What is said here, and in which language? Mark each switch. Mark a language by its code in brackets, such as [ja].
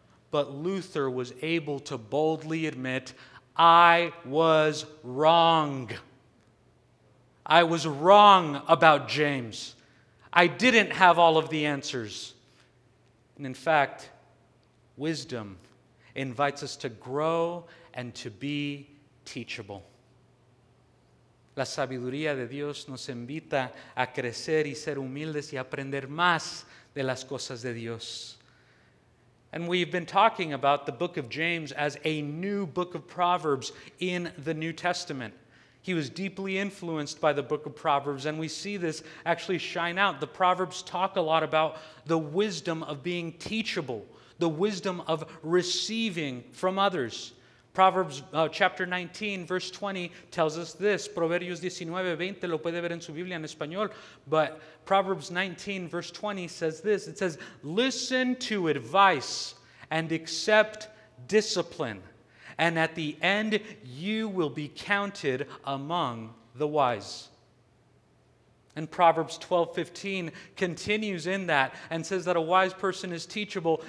[en] But Luther was able to boldly admit, "I was wrong. I was wrong about James. I didn't have all of the answers." And in fact, wisdom invites us to grow and to be teachable. [es] La sabiduría de Dios nos invita a crecer y ser humildes y aprender más de las cosas de Dios. [en] And we've been talking about the book of James as a new book of Proverbs in the New Testament. He was deeply influenced by the book of Proverbs, and we see this actually shine out. The Proverbs talk a lot about the wisdom of being teachable, the wisdom of receiving from others. Proverbs chapter 19, verse 20 tells us this. [es] Proverbios 19:20 lo puede ver en su Biblia en español. [en] But Proverbs 19, verse 20 says this. It says, "Listen to advice and accept discipline, and at the end you will be counted among the wise." And Proverbs 12:15 continues in that and says that a wise person is teachable.